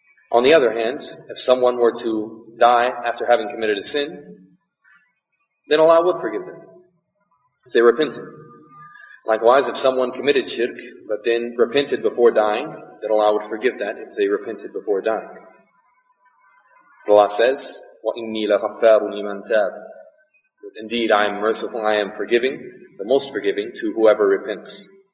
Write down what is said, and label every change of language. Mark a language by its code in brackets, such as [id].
[en] On the other hand, if someone were to die after having committed a sin, then Allah would forgive them, if they repented. Likewise, if someone committed shirk, but then repented before dying, then Allah would forgive that if they repented before dying. Allah says, [ar] وَإِنِّي لَغَفَّارٌ لِمَنْ تَابَ. [en] Indeed, I am merciful, I am forgiving, the most forgiving, to whoever repents.